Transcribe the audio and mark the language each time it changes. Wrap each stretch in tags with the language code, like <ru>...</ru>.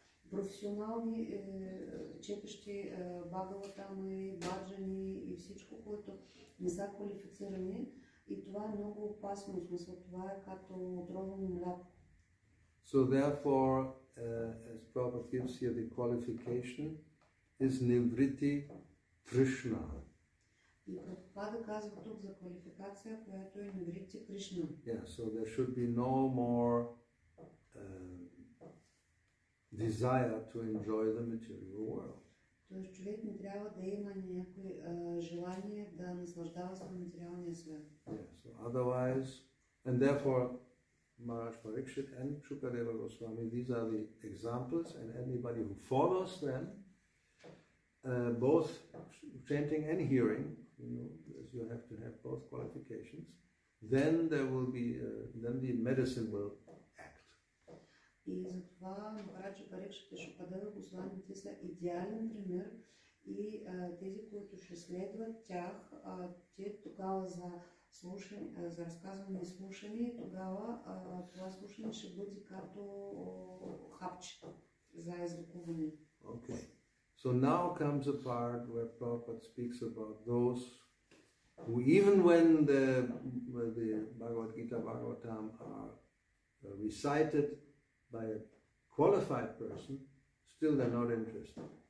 <bg>Професионални четещи Бхагаватама и баджани и всичко, което не са квалифицирани, и това е много опасно, в смисъл това е като отровено мляко.</bg> <en>So therefore, as Prabhupada gives here the qualification, is Nivritti Krishna.</en> <bg>И Прабхупада казва тук за квалификация, която е Nivritti Krishna.</bg> <en>Yeah, so there should be no more desire to enjoy the material world.</en> <bg>Тоест човек не трябва да има някакво желание да наслаждава се на материалния свят.</bg> <en>So otherwise, and therefore, Maharaj Parikshit and Shukadeva Goswami, these are the examples, and anybody who follows them, both chanting and hearing, you know, as you have to have both qualifications, then there will be, then the medicine will.</en> <bg>И затова Махараджа Парикшит и Шукадева Гослами са идеален пример, и тези, които ще следват тях, те тогава за слушане, за разказване и слушане, тогава това слушане ще бъде като хапчето за излекуване.</bg> <en>Okay. So now comes a part where Prabhupada speaks about those who, even when the Bhagavad Gita, Bhagavatam are recited by a qualified person, still they're not interested.</en>